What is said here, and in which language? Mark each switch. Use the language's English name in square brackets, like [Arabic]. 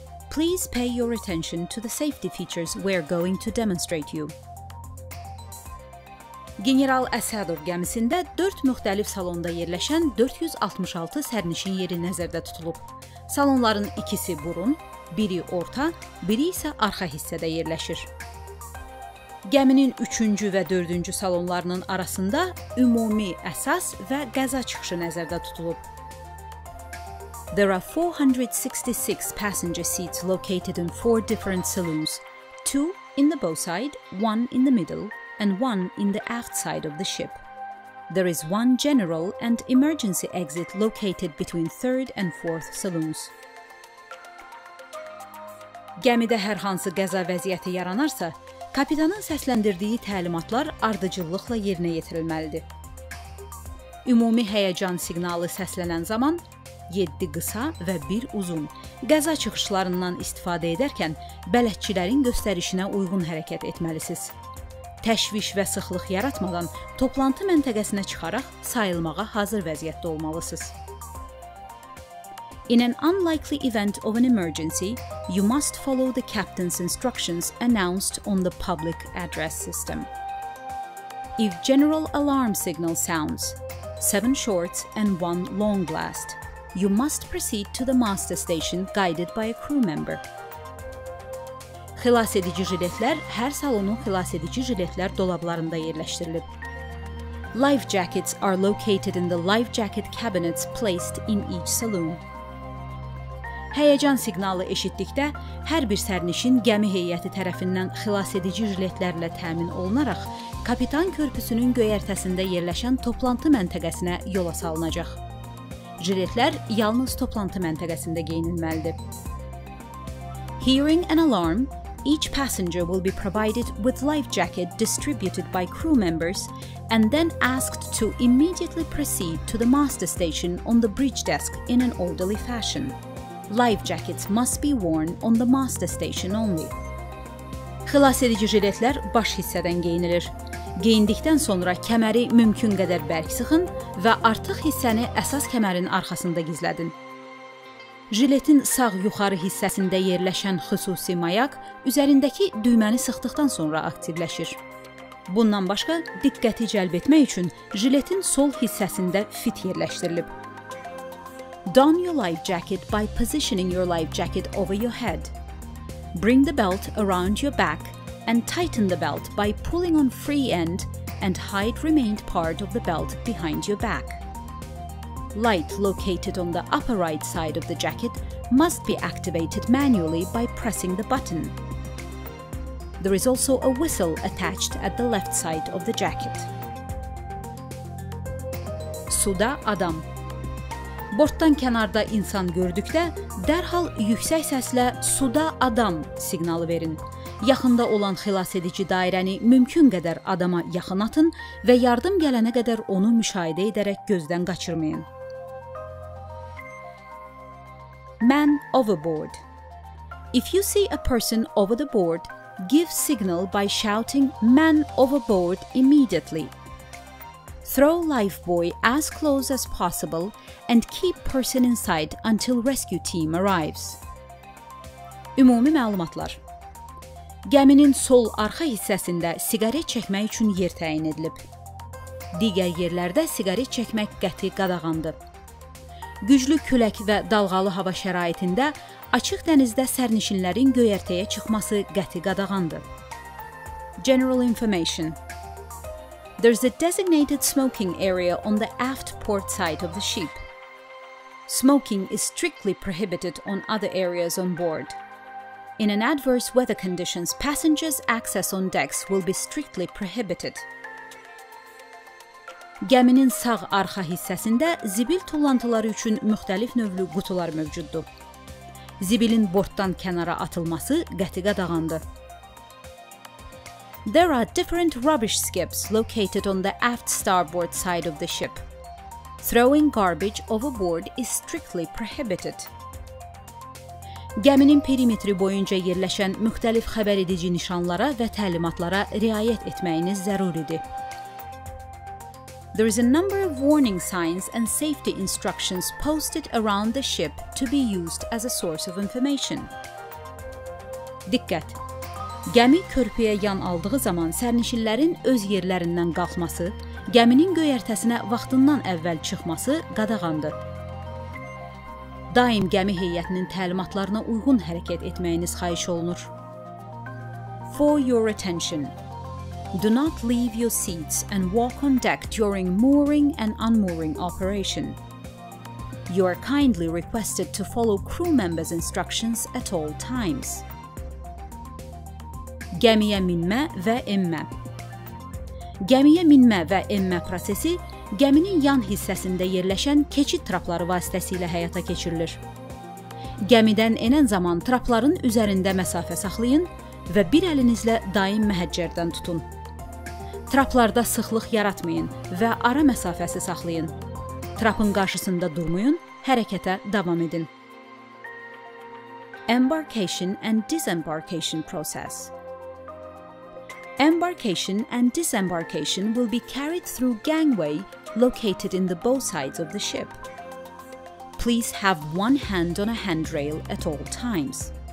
[English] Please pay your attention to the safety features we're going to demonstrate you. [Azerbaijani] General Əsədov gəmisində 4 müxtəlif salonda yerləşən 466 sərnişin yeri nəzərdə tutulub. Salonların ikisi burun, biri orta, biri isə arxa hissədə yerləşir. Gəminin 3-cü və 4-cü salonlarının arasında ümumi əsas və qəza çıxışı nəzərdə tutulub. [English] There are 466 passenger seats located in 4 different saloons, 2 in the bow side, 1 in the middle, and 1 in the aft side of the ship. There is 1 general and emergency exit located between 3rd and 4th saloons. [Azerbaijani] Gəmidə hər hansı qəza vəziyyəti yaranarsa, kapitanın səsləndirdiyi təlimatlar ardıcıllıqla yerinə yetirilməlidir. Ümumi həyəcan siqnalı səslənən zaman 7 qısa və 1 uzun qəza çıxışlarından istifadə edərkən bələdçilərin göstərişinə uyğun hərəkət etməlisiniz. Təşviş və sıxlıq yaratmadan toplantı məntəqəsinə çıxaraq sayılmağa hazır vəziyyətdə olmalısınız. [English] In an unlikely event of an emergency, you must follow the captain's instructions announced on the public address system. If general alarm signal sounds, 7 shorts and 1 long blast, you must proceed to the master station guided by a crew member. [Azerbaijani] Xilas edici jiletlər hər salonun xilas edici jiletlər dolablarında yerləşdirilib. [English] Life jackets are located in the life jacket cabinets placed in each saloon. [Azerbaijani] Həyəcan siqnalı eşitdikdə, hər bir sərnişin gəmi heyəti tərəfindən xilas edici jiletlərlə təmin olunaraq, kapitan körpüsünün göyərtəsində yerləşən toplantı məntəqəsinə yola salınacaq. Jiletlər yalnız toplantı məntəqəsində geyinilməlidir. [English] Hearing an alarm, each passenger will be provided with life jacket distributed by crew members and then asked to immediately proceed to the master station on the bridge desk in an orderly fashion. Life jackets must be worn on the master station only. [Azerbaijani] Xilas edici jiletlər baş hissədən geyinilir. Geyindikdən sonra kəməri mümkün qədər bərk sıxın və artıq hissəni əsas kəmərin arxasında gizlədin. Jiletin sağ yuxarı hissəsində yerləşən xüsusi mayaq üzərindəki düyməni sıxdıqdan sonra aktivləşir. Bundan başqa, diqqəti cəlb etmək üçün jiletin sol hissəsində fit yerləşdirilib. [English] Don your life jacket by positioning your life jacket over your head. Bring the belt around your back and tighten the belt by pulling on free end and hide remained part of the belt behind your back. Light located on the upper right side of the jacket must be activated manually by pressing the button. There is also a whistle attached at the left side of the jacket. [Azerbaijani] Suda adam. Bortdan kənarda insan gördükdə, dərhal yüksək səslə suda adam siqnalı verin. Yaxında olan xilas edici dairəni mümkün qədər adama yaxın atın və yardım gələnə qədər onu müşahidə edərək gözdən qaçırmayın. [English] Man overboard. If you see a person over the board, give signal by shouting man overboard immediately. Throw life buoy as close as possible and keep person inside until rescue team arrives. [Azerbaijani] Ümumi məlumatlar. Gəminin sol arxa hissəsində siqaret çəkmək üçün yer təyin edilib. Digər yerlərdə siqaret çəkmək qəti qadağandır. Güclü külək və dalğalı hava şəraitində açıq dənizdə sərnişinlərin göyərtəyə çıxması qəti qadağandır. [English] General information. There's a designated smoking area on the aft port side of the ship. Smoking is strictly prohibited on other areas on board. In an adverse weather conditions, passengers' access on decks will be strictly prohibited. [Azerbaijani] Gəminin sağ arxa hissəsində zibil tullantıları üçün müxtəlif növlü qutular mövcuddur. Zibilin bortdan kənara atılması qəti qadağandır. [English] There are different rubbish skips located on the aft starboard side of the ship. Throwing garbage overboard is strictly prohibited. [Azerbaijani] Gəminin perimetri boyunca yerləşən müxtəlif xəbər edici nişanlara və təlimatlara riayət etməyiniz zəruridir. [English] There is a number of warning signs and safety instructions posted around the ship to be used as a source of information. [Azerbaijani] Diqqət! Gəmi körpüyə yan aldığı zaman sərnişinlərin öz yerlərindən qalxması, gəminin göyərtəsinə vaxtından əvvəl çıxması qadağandır. Daim gəmi heyətinin təlimatlarına uyğun hərəkət etməyiniz xahiş olunur. [English] For your attention, do not leave your seats and walk on deck during mooring and unmooring operation. You are kindly requested to follow crew members' instructions at all times. [Azerbaijani] Gəmiyə minmə və enmə. Gəmiyə minmə və enmə prosesi gəminin yan hissəsində yerləşən keçid trapları vasitəsilə həyata keçirilir. Gəmidən enən zaman trapların üzərində məsafə saxlayın və bir əlinizlə daim məhəccərdən tutun. Traplarda sıxlıq yaratmayın və ara məsafəsi saxlayın. Trapın qarşısında durmayın, hərəkətə davam edin. [English] Embarkation and disembarkation process. Embarkation and disembarkation will be carried through gangway located in the bow sides of the ship. Please have one hand on a handrail at all times.